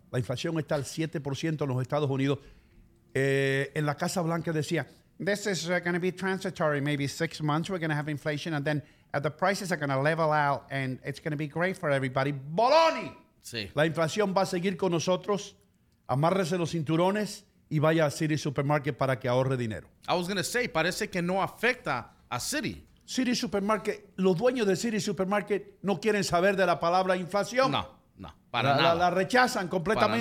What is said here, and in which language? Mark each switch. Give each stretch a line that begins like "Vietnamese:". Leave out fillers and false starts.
Spanish: La inflación está al 7% en los Estados Unidos.
English: En la Casa Blanca decía... This is going to be transitory. Maybe 6 months we're going to have inflation and then the prices are going to level out and it's going to be great for everybody.
Spanish: ¡Boloni! Sí. La inflación va a seguir con nosotros. Amárrese los cinturones y vaya a City Supermarket para que ahorre dinero. I was going to say, parece que no afecta a City. City Supermarket, los dueños de City Supermarket no quieren saber de la palabra inflación. No, no, para nada. La rechazan completamente.